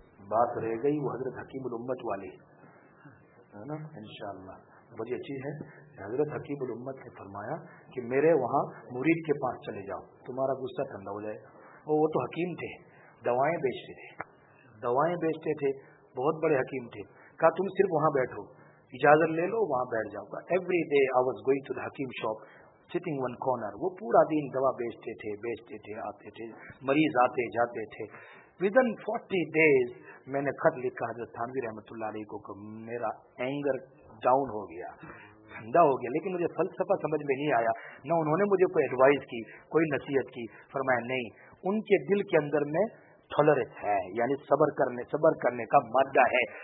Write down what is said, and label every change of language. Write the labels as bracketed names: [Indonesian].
[Urdu] بات رہ گئی وہ حضرت حکیم الامت والی ہے نا, انشاءاللہ بڑی اچھی ہے. حضرت حکیم الامت نے فرمایا کہ میرے وہاں مرید کے پاس چلے جاؤ, تمہارا غصہ ٹھنڈا ہو جائے. وہ تو حکیم تھے, دوائیں بیچتے تھے, بہت بڑے حکیم تھے. کہا تم صرف وہاں بیٹھو, اجازت لے لو, وہاں بیٹھ جاؤ گا. [English] Every day I was going to the hakim shop sitting one corner. [Urdu] وہ پورا دن دوا بیچتے تھے, آتے تھے مریض, آتے جاتے تھے. [English] within 40 days [Urdu] میں نے خط لکھا حضرت تھانوی رحمتہ اللہ علیہ کو, میرا [English] anger down [Urdu] ہو گیا, ٹھنڈا ہو گیا. لیکن مجھے فلسفہ سمجھ میں نہیں آیا, نہ انہوں نے مجھے کوئی ایڈوائز کی, کوئی نصیحت کی. فرمایا نہیں, ان کے دل کے اندر میں ٹالرنس ہے, یعنی صبر کرنے کا مادہ ہے.